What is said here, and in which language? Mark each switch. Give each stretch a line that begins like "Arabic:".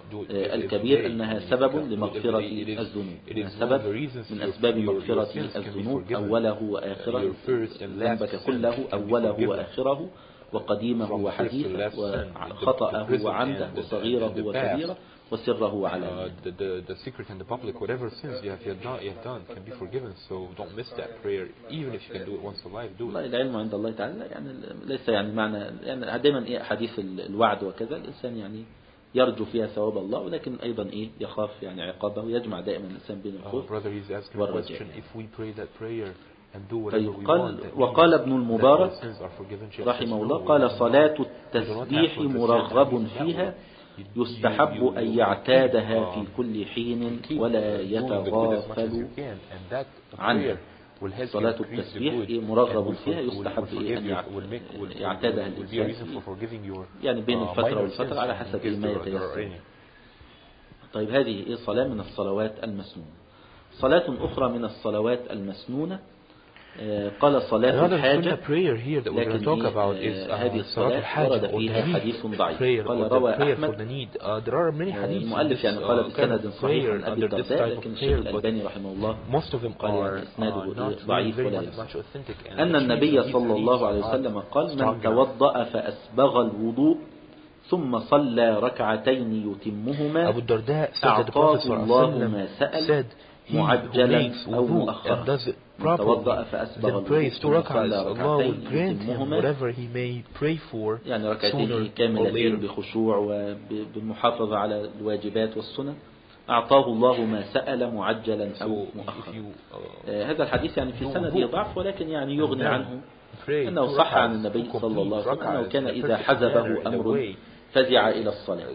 Arabic: الكبير أنها سبب لمغفرة الذنوب سبب من أسباب مغفرة الذنوب أوله وآخره ذنبك كله أوله وآخره وقديمه وحديثه وخطأه وعمده وصغيره وكبيره وسره على
English: the secret and the public whatever sins you have done can be forgiven so don't miss that prayer even if you can do it once alive do it
Arabic: العلم عند الله تعالى يعني ليس يعني معنى يعني دائما حديث الوعد وكذا الانسان يعني يرجو فيها ثواب الله ولكن ايضا يخاف يعني عقابه ويجمع دائما الانسان بين الخوف والرجاء
English: if we pray that prayer
Arabic: قال وقال ابن المبارك رحمه الله قال صلاة التسبيح مرغب فيها يستحب أن يعتادها في كل حين ولا يتغافل عنها صلاة التسبيح مرغب فيها يستحب أن يعتادها الإنسان يعني بين الفترة والفترة على حسب ما يتيسر طيب هذه صلاة من الصلوات المسنونة صلاة أخرى من الصلوات المسنونة قال صلاة الحاجة.
English: Prayer here that we're going to talk about is صلاة الحاجة or the need prayer.
Arabic: قال روى أحمد.
English: There are many hadiths.
Arabic: المؤلف يعني قال بسند صحيح عن أبي الدرداء لكن الشيخ الألباني رحمه الله.
English: Most of them are not very much authentic.
Arabic: أن النبي صلى الله عليه وسلم قال من توضأ فأسبغ الوضوء ثم صلى ركعتين يتمهما أبو الدرداء أعطاه الله ما سأل معجلا أو مؤخرا. توضأ فأسبغ الوضوء
English: prays two rakahs. Allah will grant him whatever he may pray for.
Arabic: يعني ركعتين كاملتين بخشوع وبالمحافظة على الواجبات والسنة. أعطاه الله ما سأل معجلا أو مؤخرا. هذا الحديث يعني في سنده ضعف ولكن يعني يغني عنه أنه صح عن النبي صلى الله عليه وسلم كان إذا حزبه أمر فزع إلى الصلاة.